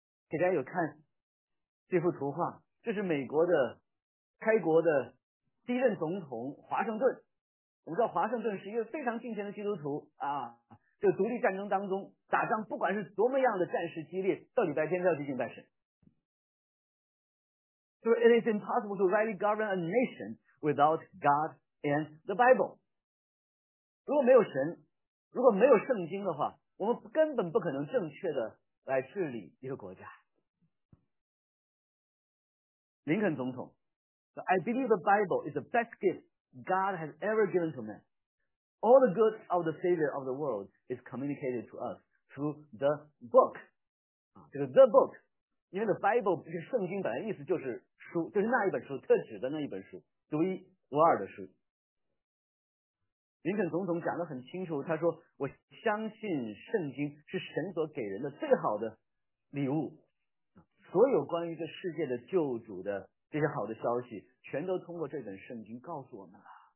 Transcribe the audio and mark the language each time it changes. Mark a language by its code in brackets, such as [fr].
[zh] 大家有看这幅图画，这是美国的开国的第一任总统华盛顿。我们知道华盛顿是一个非常敬虔的基督徒啊，这个独立战争当中打仗，不管是多么样的战事激烈，到礼拜天都要去敬拜神。 [en] So it is impossible to rightly govern a nation without God and the Bible. [zh] 如果没有神，如果没有圣经的话，我们根本不可能正确的来治理一个国家。 [en] 林肯总统 So I believe the Bible is the best gift God has ever given to man. All the good of the Savior of the world is communicated to us through the book. [zh] 这个 the book, 因为 the Bible 就是圣经，本来意思就是书，就是那一本书，特指的那一本书，独一无二的书。林肯总统讲得很清楚，他说我相信圣经是神所给人的最好的礼物，所有关于这世界的救主的这些好的消息全都通过这本圣经告诉我们了。